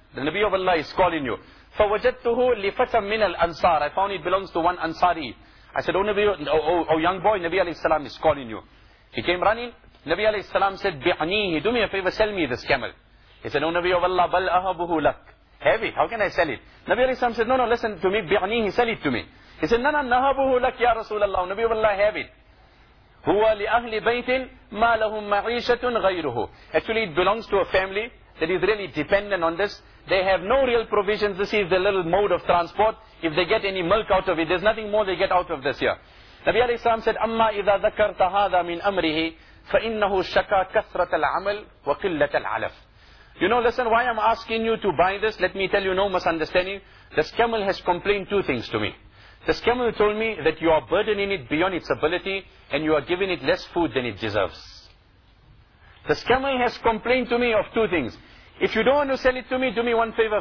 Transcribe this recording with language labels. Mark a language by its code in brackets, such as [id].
[en] The Nabi of Allah is calling you. [ar] فَوَجَدْتُهُ لِفَتَمْ مِنَ الْأَنصَارِ. [en] I found it belongs to one Ansari. I said, O young boy, Nabi alayhi salam is calling you. He came running. Nabi alayhi salam said, [ar] بِعْنِيهِ. [en] Do me a favor, sell me this camel. He said, O Nabi of Allah, [ar] بَلْ أَهَبُهُ لَكْ. [en] Heavy, how can I sell it? Nabi alayhi salam said, no, listen to me, [ar] بِعْنِيهِ, [en] sell it to me. He said, no, [ar] نَهَبُهُ لَكْ يَا رَسُولَ اللَّهُ. [en] Nabi of Allah, have it. [ar] هُوَ لِأَهْلِ بَيْتٍ مَا لَهُمْ مَعِيشَةٌ غَيْرُهُ. [en] Actually, it belongs to a family that is really dependent on this. They have no real provisions. This is the little mode of transport. If they get any milk out of it, there's nothing more they get out of this here. Nabi alayhi salam said, [ar] أَمَّا إِذَا ذَكَرْتَ هَذَا مِنْ أَمْرِهِ فَإِنَّهُ شَكَى كَثْرَةَ الْعَمَلِ وَقِلَّةَ الْعَلَفِ. [en] You know, listen, why I'm asking you to buy this? Let me tell you, no misunderstanding. This camel has complained two things to me. This camel told me that you are burdening it beyond its ability and you are giving it less food than it deserves. This camel has complained to me of two things. If you don't want to sell it to me, do me one favor.